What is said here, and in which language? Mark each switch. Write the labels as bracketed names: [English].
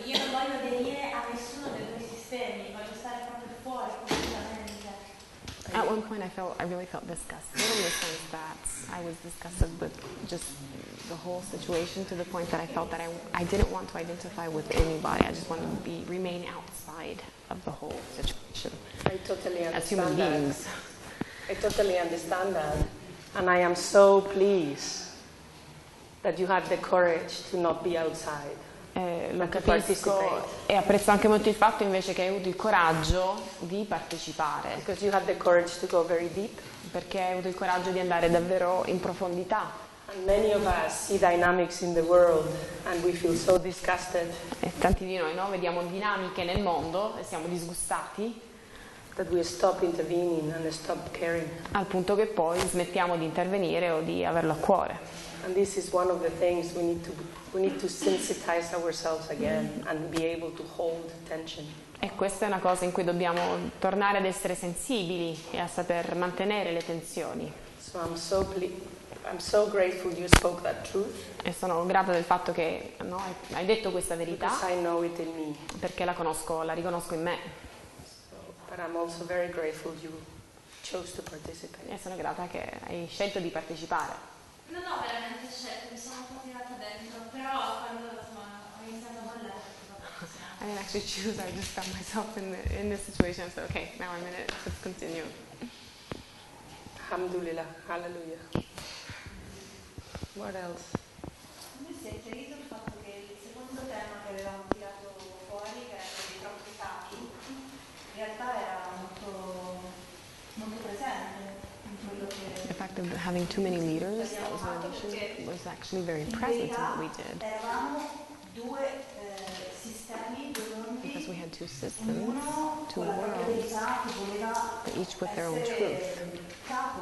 [Italian] voglio aderire a nessuno dei tuoi sistemi, voglio stare proprio fuori completamente. [English] At one point I really felt disgusted in the sense that I was disgusted with just the whole situation to the point that I felt that I didn't want to identify with anybody. I just wanted to remain outside of the whole situation. I totally understand as human beings. I totally understand that. And I am so pleased that you had the courage to not be outside. [Italian] Lo capisco e apprezzo anche molto il fatto invece che hai avuto il coraggio di partecipare. [English] Because you had the courage to go very deep. [Italian] Perché hai avuto il coraggio di andare davvero in profondità. [English] And many of us see dynamics in the world and we feel so disgusted. [Italian] E tanti di noi, no? Vediamo dinamiche nel mondo e siamo disgustati. [English] That we stop intervening and stop caring. [Italian] Al punto che poi smettiamo di intervenire o di averlo a cuore. [English] And this is one of the things we need to sensitize ourselves again and be able to hold tension. [Italian] E questa è una cosa in cui dobbiamo tornare ad essere sensibili e a saper mantenere le tensioni. [English] So I'm so grateful you spoke that truth. [Italian] E sono grata del fatto che hai detto questa verità. [English] Because I know it in me. [Italian] Perché la riconosco in me. [English] But I'm also very grateful you chose to participate. [Italian] E sono grata che hai scelto di partecipare. Non ho veramente scelto, mi sono un po' tirata dentro, però quando ho iniziato a ballare. [English] I didn't actually choose, I just found myself in this situation, so okay, now I'm in it, let's continue. Alhamdulillah, hallelujah. What else? [Italian] Mi si è chiarito il fatto che il secondo tema che avevamo tirato fuori, che era i troppi capi, in realtà era molto, molto presente. [English] The fact of having too many leaders, that was an issue, was actually very present in what we did. Because we had two systems, two worlds, but each with their own truth.